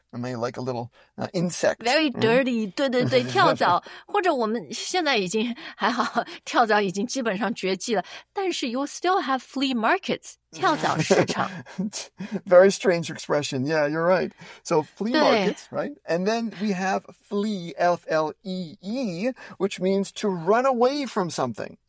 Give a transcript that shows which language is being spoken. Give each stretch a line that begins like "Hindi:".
English: And they like a little insect. Very dirty,
Chinese: 对对对，跳蚤。或者我们现在已经还好，跳蚤已经基本上绝迹了。但是
English: you still have flea markets,
Chinese: 跳蚤市场。
English: Very strange expression. Yeah, you're right. So flea markets, right? And then we have flea, F-L-E-E, which means to run away from something.